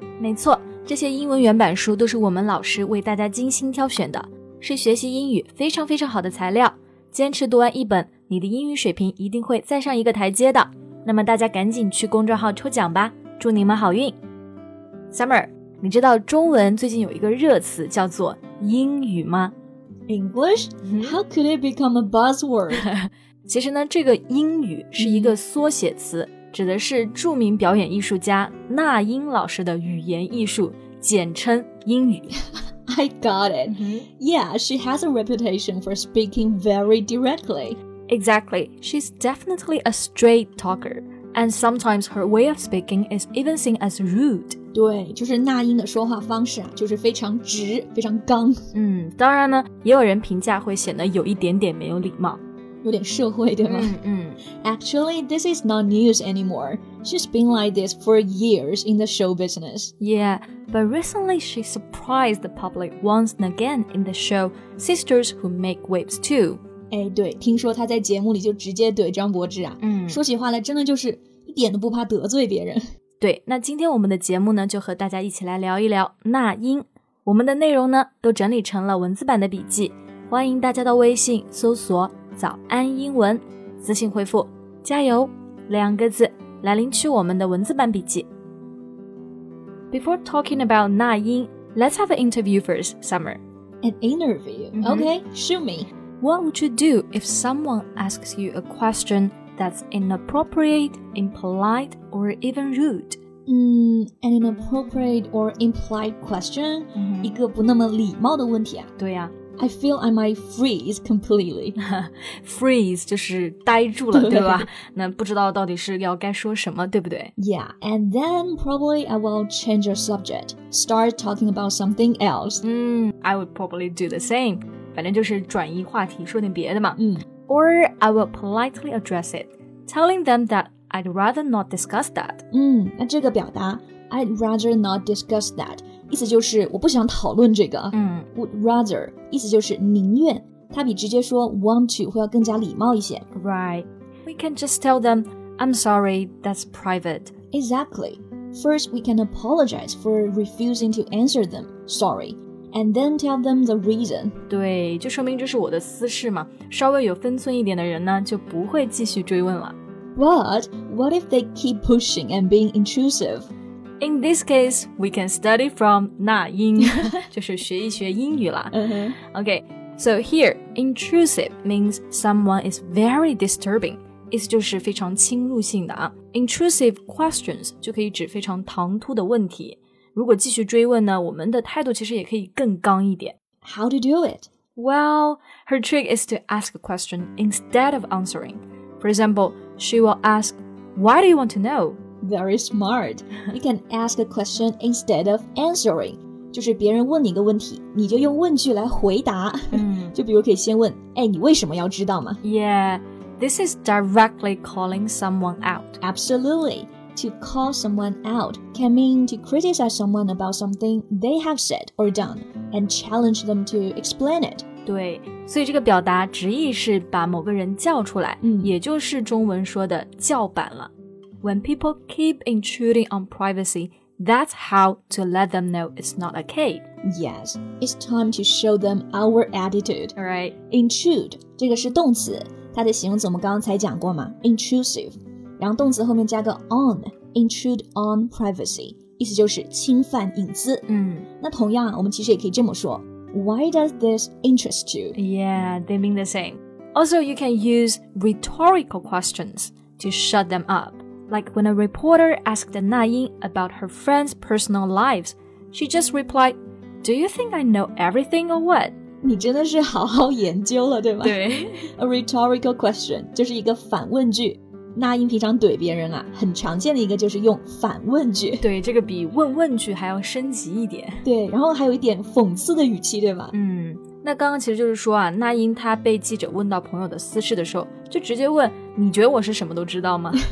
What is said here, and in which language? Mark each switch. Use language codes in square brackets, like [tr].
[zh] 没错，这些英文原版书都是我们老师为大家精心挑选的，是学习英语非常非常好的材料。坚持读完一本，你的英语水平一定会再上一个台阶的。那么大家赶紧去公众号抽奖吧，祝你们好运。 Summer, 你知道中文最近有一个热词叫做英语吗？ [en] English? How could it become a buzzword? [zh] 其实呢，这个英语是一个缩写词，指的是著名表演艺术家那英老师的语言艺术，简称英语。 [en] I got it. Yeah, she has a reputation for speaking very directly. Exactly. She's definitely a straight talker. And sometimes her way of speaking is even seen as rude. [zh] 对，就是那英的说话方式啊，就是非常直，非常刚。当然呢，也有人评价会显得有一点点没有礼貌。有点社会，对吗？ [en] Actually, this is not news anymore. She's been like this for years in the show business. Yeah, but recently she surprised the public once and again in the show Sisters Who Make Waves 2. [zh] 哎，对，听说她在节目里就直接怼张柏芝啊。说起话来真的就是一点都不怕得罪别人。对，那今天我们的节目呢，就和大家一起来聊一聊那英。我们的内容呢，都整理成了文字版的笔记，欢迎大家到微信搜索早安英文，私信回复加油两个字来领取我们的文字版笔记。 [en] Before talking about 那英， let's have an interview first, Summer. An interview?、Okay, shoot me. What would you do if someone asks you a question that's inappropriate, impolite, or even rude? An inappropriate or impolite question?、 [zh] 一个不那么礼貌的问题啊。对啊， [en] I feel I might freeze completely. [zh] Freeze 就是呆住了，对吧？那不知道到底是要该说什么，对不对？ [en] Yeah, and then probably I will change the subject. Start talking about something else. I would probably do the same. [zh] 反正就是转移话题，说点别的嘛。 [en] Or I will politely address it, telling them that I'd rather not discuss that. [zh] 那这个表达 [en] I'd rather not discuss that. [zh] 意思就是我不想讨论这个。Would rather 意思就是宁愿，它比直接说 want to 会要更加礼貌一些。 [en] Right. We can just tell them I'm sorry, that's private. Exactly. First we can apologize for refusing to answer them sorry, and then tell them the reason. [zh] 对，就说明这是我的私事嘛，稍微有分寸一点的人呢就不会继续追问了。 [en] But what if they keep pushing and being intrusive In this case, we can study from 那英， [zh] 就是学一学英语啦。 [en] Okay, so here, intrusive means someone is very disturbing. [zh] 意思就是非常侵入性的啊。Intrusive questions 就可以指非常唐突的问题。如果继续追问呢，我们的态度其实也可以更刚一点。 [en] How to do it? Well, her trick is to ask a question instead of answering. For example, she will ask, why do you want to know? Very smart. You can ask a question instead of answering. [zh] 就是别人问你一个问题，你就用问句来回答。就比如可以先问，哎，你为什么要知道吗？ [en] Yeah, this is directly calling someone out. Absolutely. To call someone out can mean to criticize someone about something they have said or done and challenge them to explain it. [zh] 对，所以这个表达直译是把某个人叫出来，也就是中文说的叫板了。 [en] When people keep intruding on privacy, that's how to let them know it's not okay. Yes, it's time to show them our attitude. All right. [zh] Intrude, 这个是动词，它的形容词我们刚刚才讲过嘛， intrusive. 然后动词后面加个 on, intrude on privacy, 意思就是侵犯隐私。那同样啊，我们其实也可以这么说， [en] Why does this interest you? Yeah, they mean the same. Also, you can use rhetorical questions to shut them up. Like when a reporter asked Na Ying about her friends' personal lives, she just replied, Do you think I know everything or what? [zh] 你真的是好好研究了，对吗？对。 A rhetorical question, 就是一个反问句。那英平常怼别人啊，很常见的一个就是用反问句。对，这个比问问句还要升级一点。对，然后还有一点讽刺的语气，对吗？那刚刚其实就是说啊，那英她被记者问到朋友的私事的时候，就直接问，你觉得我是什么都知道吗？